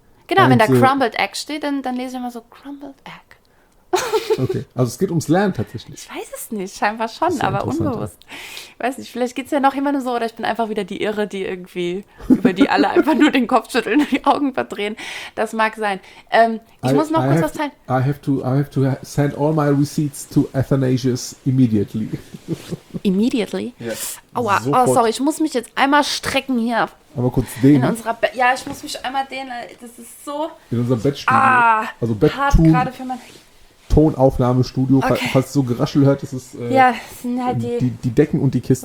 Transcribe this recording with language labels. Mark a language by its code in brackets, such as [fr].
[de] Genau, wenn da Crumbled Egg steht, dann lese ich immer so Crumbled Egg. Okay, also es geht ums Lernen tatsächlich. Ich weiß es nicht, scheinbar schon, aber unbewusst. Ja. weiß nicht, vielleicht geht es ja noch jemandem so, oder ich bin einfach wieder die Irre, die irgendwie, über die alle einfach nur den Kopf schütteln und die Augen verdrehen. Das mag sein. Ich muss noch kurz was teilen. [en] I have to send all my receipts to Athanasius immediately. Immediately? Yes. [de] Aua, sofort. Oh sorry, ich muss mich jetzt einmal strecken hier. Aber kurz dehnen. Ja, ich muss mich einmal dehnen, das ist so. In unserem Bettstudio. Ah, also Bett-Tun. Hart gerade für mein... Tonaufnahmestudio, okay. Falls du so Geraschel hört, das ist ja, das sind halt die Decken und die Kissen.